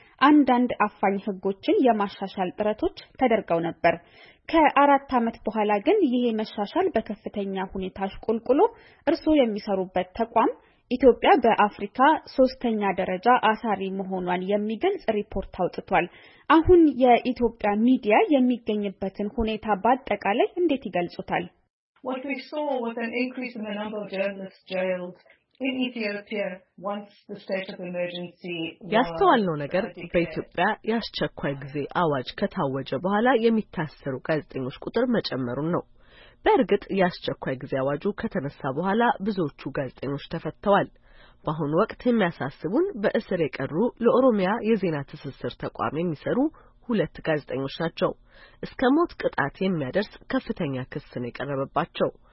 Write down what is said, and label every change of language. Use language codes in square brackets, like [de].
[am] አንዳንድ አፋኝ ህጎችን የማሻሻል ጥረቶች ተደርገው ነበር። ከአራት አመት በኋላ ግን ይሄ መሻሻል በከፍተኛ ሁኔታ ሽቆልቆሎ እርሶ የሚሰሩበት ተቋም ኢትዮጵያ በአፍሪካ ሶስተኛ ደረጃ አሳሪ መሆኗን የሚገልጽ ሪፖርት አውጥቷል። አሁን የኢትዮጵያ ሚዲያ የሚገኝበትን ሁኔታ በአጠቃላይ እንዴት ይገልጹታል? [en] What we saw was an increase in the number of journalists jailed in Ethiopia once the state of emergency [am] ያስተዋልነው ነገር በኢትዮጵያ ያስቸኳይ ጊዜ አዋጅ ከታወጀ በኋላ የሚታሰሩ ጋዜጠኞች ቁጥር መጨመሩ ነው። በርግጥ ያስቸኳይ ጊዜ አዋጁ ከተነሳ በኋላ ብዙዎቹ ጋዜጠኞች ተፈተዋል። በአሁን ወቅት የሚያሳስቡን በእስር የቀሩ ለኦሮሚያ የዜና ትስስር ተቋም የሚሰሩ ሁለት ጋዜጠኞች ናቸው። እስከ ሞት ቅጣት የሚያደርስ ከፍተኛ ክስ ነው የቀረበባቸው።